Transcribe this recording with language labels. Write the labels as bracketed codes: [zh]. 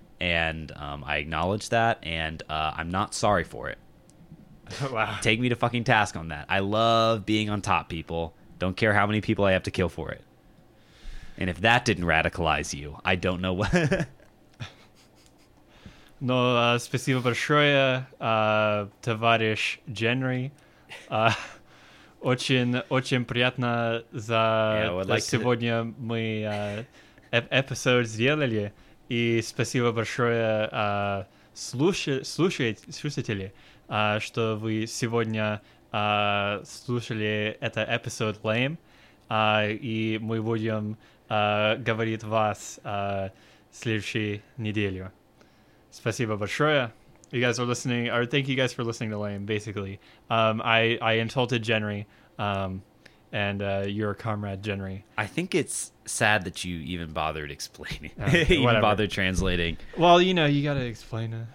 [en] And I acknowledge that. And I'm not sorry for it. Wow. Take me to fucking task on that. I love being on top, people. Don't care how many people I have to kill for it. And if that didn't radicalize you, I don't know what. [ru] No, спасибо большое, товарищ Генри. Очень, очень приятно за сегодня мы эпизод сделали. И спасибо большое, слушатели. Что вы сегодня слушали этот эпизод Lame, и мы будем говорить вас следующей неделю. Спасибо большое. [en] You guys are listening, or thank you guys for listening to Lame, basically. I insulted Jenry, and your comrade Jenry. I think it's sad that you even bothered explaining, even bothered translating. Well, you know, you gotta explain it.